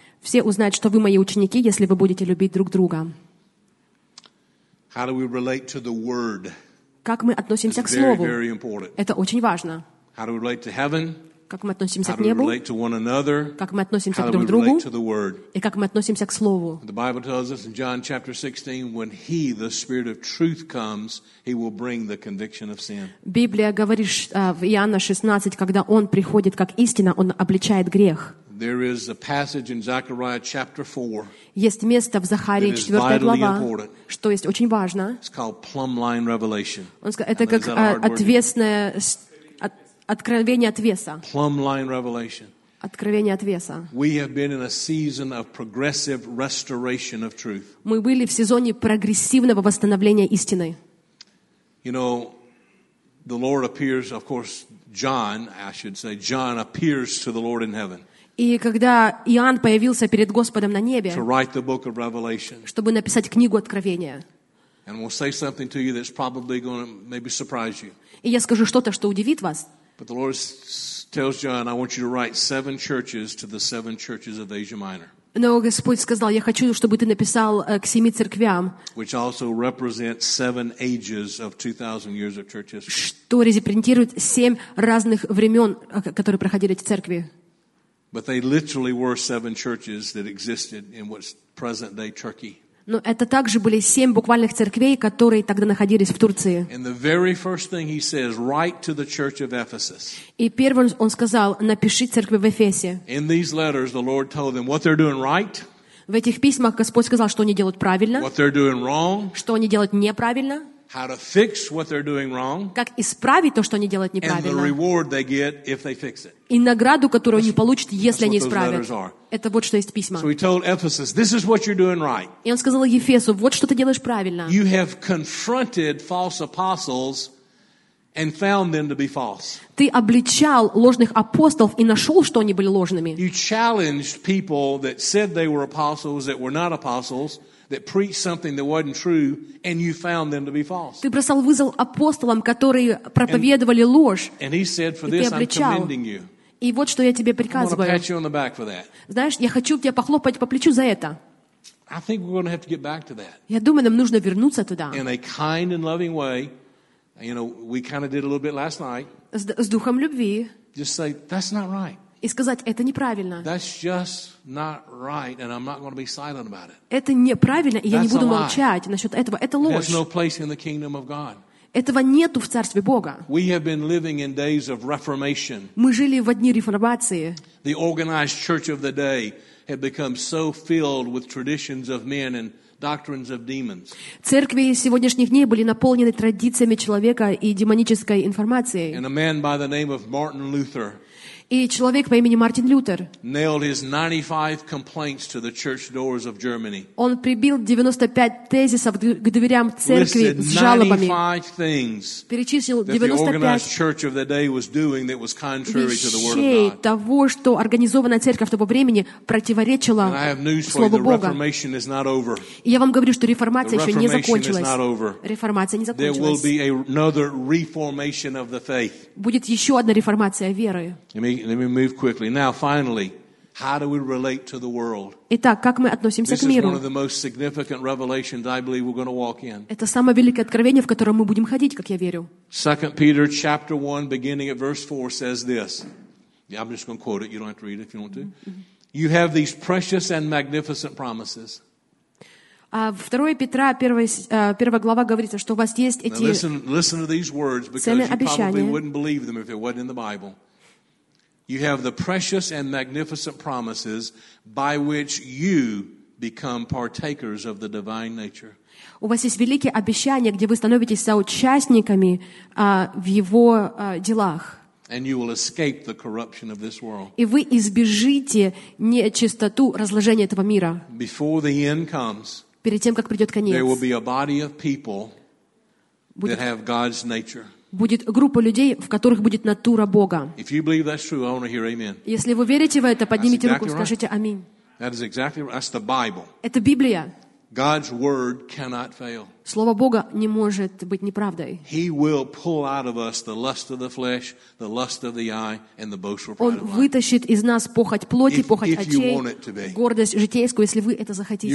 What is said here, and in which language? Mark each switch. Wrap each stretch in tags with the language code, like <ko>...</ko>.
<ru>Все узнают, что вы мои ученики, если вы будете любить друг друга».</ru> <en>How do we relate to the word?</en> <ru>Как мы относимся</ru> <en>It's</en> <ru>к Слову?</ru> <en>Very, very important.</en> <ru>Это очень важно.</ru> <en>How do we relate to heaven?</en> <ru>Как мы относимся к небу,</ru> <en>relate to one another?</en> <ru>Как мы относимся друг к другу</ru> <en>to the word?</en> <ru>И как мы относимся к Слову.</ru> <en>The Bible tells us in John chapter 16, when He, the Spirit of truth, comes, He will bring the conviction of sin.</en> <ru>Библия говорит в Иоанна 16, когда Он приходит как истина, Он обличает грех.</ru> <en>There is a passage in Zechariah chapter 4.</en> <ru>Есть место в Захарии 4 глава, что есть очень важно.</ru> <en>It's called plumb line revelation.</en> <ru>Это как отвесное откровение отвеса.</ru> <en>Plumb line revelation.</en> <ru>Откровение отвеса.</ru> <en>We have been in a season of progressive restoration of truth.</en> <ru>Мы были в сезоне прогрессивного восстановления истины.</ru> <en>You know, the Lord appears, of course, John, I should say, John appears to the Lord in heaven.</en> <ru>И когда Иоанн появился перед Господом на небе,</ru> <en>to write the book of Revelation.</en> <ru>Чтобы написать книгу Откровения.</ru> <en>And we'll say something to you that's probably going to maybe surprise you.</en> <ru>И я скажу что-то, что удивит вас.</ru> <en>But the Lord tells John, I want you to write 7 churches to the 7 churches of Asia Minor.</en> <ru>Но Господь сказал, я хочу, чтобы ты написал к 7 церквям,</ru> <en>which also represent 7 ages of 2000 years of church history.</en> <ru>Что репрезентирует 7 разных времен, которые проходили эти церкви.</ru> <en>But they literally were 7 churches that existed in what's present day Turkey.</en> <ru>Но это также были 7 буквальных церквей, которые тогда находились в Турции.</ru> <en>And the very first thing he says, write to the church of Ephesus.</en> <ru>И первым он сказал, напиши церкви в Эфесе.</ru> <en>In these letters, the Lord told them what they're doing right.</en> <ru>В этих письмах Господь сказал, что они делают правильно.</ru> <en>What they're doing wrong.</en> <ru>Что они делают неправильно.</ru> <en>How to fix what they're doing wrong.</en> <ru>Как исправить то, что они делают неправильно.</ru> <en>And the reward they get if they fix it.</en> <ru>И награду, которую они получат, если они исправят. Это вот что есть письма.</ru> <en>So he told Ephesus, this is what you're doing right.</en> <ru>И он сказал Ефесу, вот что ты делаешь правильно.</ru> <en>You have confronted false apostles and found them to be false.</en> <ru>Ты обличал ложных апостолов и нашел, что они были ложными.</ru> <en>You challenged people that said they were apostles that were not apostles. That preached something that wasn't true, and you found them to be false.</en> <ru>Ты бросал вызов апостолам, которые проповедовали ложь.</ru> <en>And he said, "For this, I'm commending you."</en> <ru>И вот что я тебе приказываю.</ru> <en>I want to pat you on the back for that.</en> <ru>Знаешь, я хочу тебя похлопать по плечу за это.</ru> <en>I think we're going to have to get back to that.</en> <ru>Я думаю, нам нужно вернуться туда.</ru> <en>In a kind and loving way, you know, we kind of did a little bit last night.</en> <ru>С духом любви.</ru> <en>Just say that's not right.</en> <ru>И сказать, это неправильно.</ru> <en>That's just not right, and I'm not going to be silent about it.</en> <ru>Это неправильно, и я не буду молчать насчет этого. Это ложь.</ru> <en>There's no place in the kingdom of God.</en> <ru>Этого нету в царстве Бога.</ru> <en>We have been living in days of reformation.</en> <ru>Мы жили в дни реформации.</ru> <en>The organized church of the day had become so filled with traditions of men and doctrines of demons.</en> <ru>Церкви сегодняшних дней были наполнены традициями человека и демонической информацией.</ru> <en>And a man by the name of Martin Luther.</en> <ru>И человек по имени Мартин Лютер.</ru> <en>Nailed his 95 complaints to the church doors of Germany.</en> <ru>Он прибил 95 тезисов к дверям церкви с жалобами.</ru> <en>Listed 95 things.</en> <ru>Перечислил 95</ru> <en>that the organized church of the day was doing that was contrary to the word of God.</en> <ru>Вещей того, что организованная церковь того времени противоречила слову Бога.</ru> <en>Reformation is not over.</en> <ru>Я вам говорю, что реформация еще не закончилась. Реформация не закончилась.</ru> <en>There will be another reformation of the faith.</en> <ru>Будет еще одна реформация веры.</ru> <en>Let me move quickly. Now, finally, how do we relate to the world?</en> <ru>Итак, как мы относимся к миру?</ru> <en>This is one of the most significant revelations I believe we're going to walk in.</en> <ru>Это самое великое откровение, в котором мы будем ходить, как я верю.</ru> <en>2 Peter chapter 1, beginning at verse 4, says this. Yeah, I'm just going to quote it. You don't have to read it if you want to. You have these precious and magnificent promises.</en> <ru>2 Петра, 1 глава говорится, что у вас есть эти ценные обещания.</ru> <en>Listen to these words, because you probably wouldn't believe them if it wasn't in the Bible. You have the precious and magnificent promises by which you become partakers of the divine nature.</en> <ru>У вас есть великие обещания, где вы становитесь соучастниками в его делах.</ru> <en>And you will escape the corruption of this world.</en> <ru>И вы избежите нечистоту разложения этого мира.</ru> <en>Before the end comes,</en> <ru>перед тем, как придет конец,</ru> <en>there will be a body of people that have God's nature.</en> <ru>Будет группа людей, в которых будет натура Бога.</ru> <en>True,</en> <ru>если вы верите в это, поднимите</ru> <en>exactly</en> <ru>руку и скажите аминь.</ru> <en>Exactly right.</en> <ru>Это Библия.</ru> <en>God's word cannot fail.</en> <ru>Слово Бога не может быть неправдой.</ru> <en>He will pull out of us the lust of the flesh, the lust of the eye, and the boastful pride.</en> <ru>Он вытащит из нас похоть плоти, похоть очей, гордость житейскую, если вы это захотите.</ru>